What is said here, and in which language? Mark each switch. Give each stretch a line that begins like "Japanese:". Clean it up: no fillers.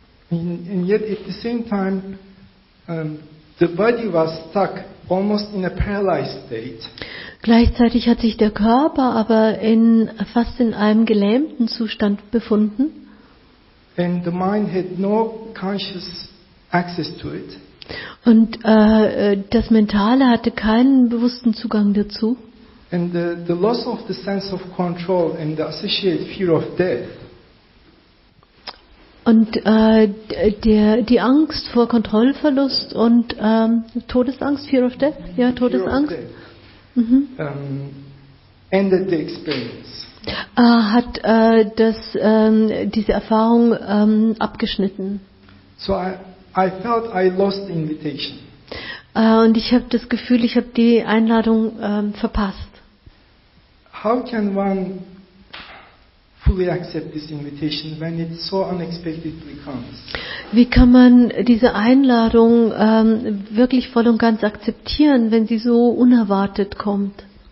English: And yet at the same time. The body was stuck almost in a paralyzed state.
German: Gleichzeitig hat sich der Körper aber in fast in einem gelähmten Zustand befunden.
English: And the mind had no conscious access to it.
German: Und das Mentale hatte keinen bewussten Zugang dazu.
English: And the loss of the sense of control and the associated fear of death.
German: Und die Angst vor Kontrollverlust und Todesangst,
English: Fear of Death,
German: ja, Todesangst,
English: ended the experience.
German: Hat das diese Erfahrung abgeschnitten.
English: So I felt I lost the invitation.
German: Und ich habe das Gefühl, ich habe die Einladung verpasst.
English: How can one fully accept this invitation when it so unexpectedly comes?
German: Wie kann man diese Einladung wirklich voll und ganz akzeptieren, wenn sie so unerwartet kommt?